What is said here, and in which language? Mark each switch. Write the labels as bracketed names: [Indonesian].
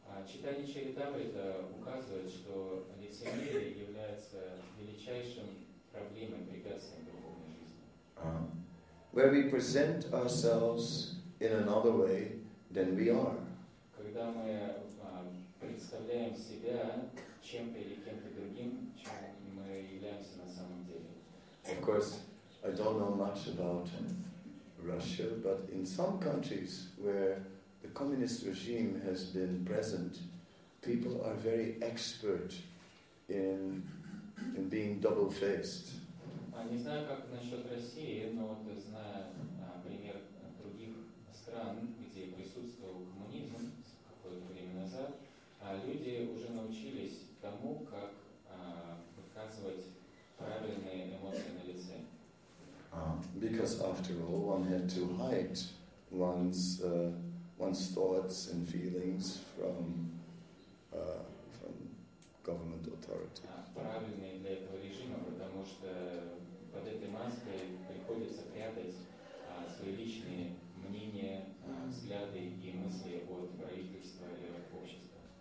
[Russian] Читание Чаритамриты указывает, что лицемерие является величайшим проблемой, препятствием в духовной жизни. [English] Where we present ourselves in another way than we are. [Russian] Когда мы представляем себя чем-то или кем-то другим, чем мы являемся на самом деле. [English] Of course, I don't know much about Russia, but in some countries where the communist regime has been present, people are very expert in being double-faced. I don't know how [Russian] насчет России, но вот зная пример других стран, где присутствовал коммунизм какое-то время назад, люди уже научились тому, как показывать правильные эмоции на лице. [English] Because after all, one had to hide one's thoughts and feelings from government authority. [Russian] Правильный для этого режима, потому что под этой маской приходится прятать свои личные мнения, взгляды и мысли от правительства или от общества.